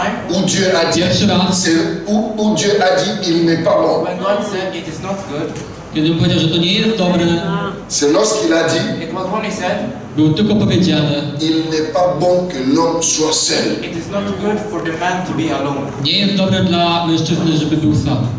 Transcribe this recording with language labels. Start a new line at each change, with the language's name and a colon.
French: Où Dieu a dit, c'est où Dieu a dit, il n'est pas bon.
English: When God said it is not good,
Polish: kiedy powiedział, że to nie jest dobre,
French: c'est lorsqu'il a dit,
Polish: było tylko powiedziane,
French: il n'est pas bon que l'homme soit seul.
English: It is not good for the man to be alone.
Polish: Nie jest dobre dla mężczyzny, żeby był sam.